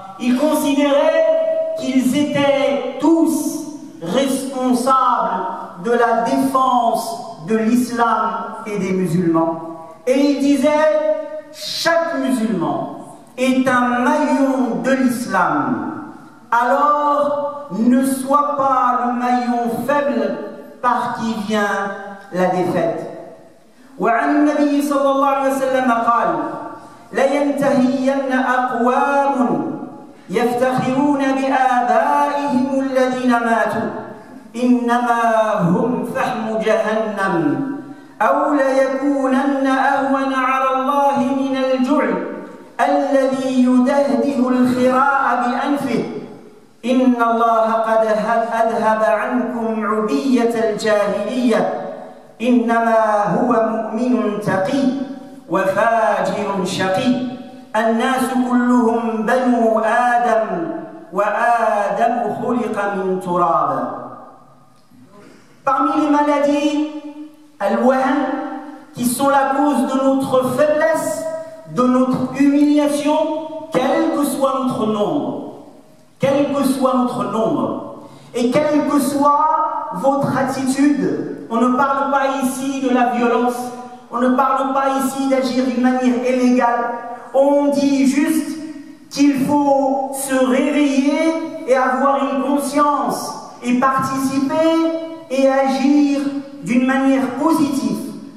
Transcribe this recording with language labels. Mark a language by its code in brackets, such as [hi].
[fr] Ils considéraient qu'ils étaient tous responsables de la défense de l'islam et des musulmans. Et il disait, chaque musulman est un maillon de l'islam. Alors, ne sois pas le maillon faible par qui vient la défaite. [ar] وعن النبي صلى الله عليه وسلم قال لينتهين أقوام يفتخرون بآبائهم الذين ماتوا إنما هم فحم جهنم أو ليكونن أهون على الله من الجعل الذي يدهده الخراء بأنفه إن الله قد أذهب عنكم عبية الجاهلية إنما هو مؤمن تقي وفاجر شقي الناس كلهم بنو آدم وآدم خلق من تراب. [fr] Parmi les maladies, الوهن, qui sont la cause de notre faiblesse, de notre humiliation, quel que soit notre nombre. Quel que soit notre nombre et quelle que soit votre attitude, on ne parle pas ici de la violence, on ne parle pas ici d'agir d'une manière illégale, on dit juste qu'il faut se réveiller et avoir une conscience et participer et agir d'une manière positive.